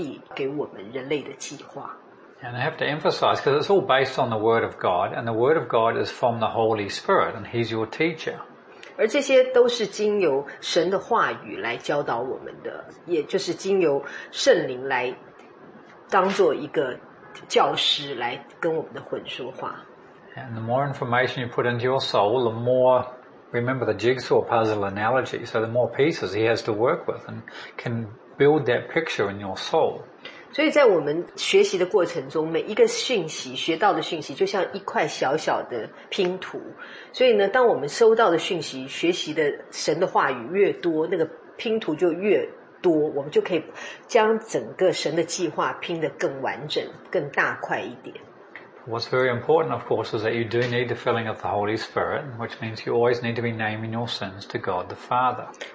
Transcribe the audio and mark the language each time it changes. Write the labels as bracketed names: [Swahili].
[Chinese] 那我们在过去几个礼拜呢，是做了很多的很延伸性的一些话题的讨论。也许你没有办法觉得它是直接有关，但它其实都是相关的，因为这些延伸性的事情也都是上帝给我们人类的计划。 [English] And I have to emphasize, because it's all based on the Word of God, and the Word of God is from the Holy Spirit, and He's your teacher. [Chinese] 而这些都是经由神的话语来教导我们的，也就是经由圣灵来当做一个教师来跟我们的魂说话。And [English] the more information you put into your soul, the more, remember the jigsaw puzzle analogy, so the more pieces He has to work with and can build that picture in your soul. [Chinese] 所以在我们学习的过程中，每一个讯息学到的讯息，就像一块小小的拼图。所以呢，当我们收到的讯息，学习的神的话语越多，那个拼图就越多，我们就可以将整个神的计划拼得更完整、更大块一点。 [English] What's very important, of course, is that you do need the filling of the Holy Spirit, which means you always need to be naming your sins to God the Father.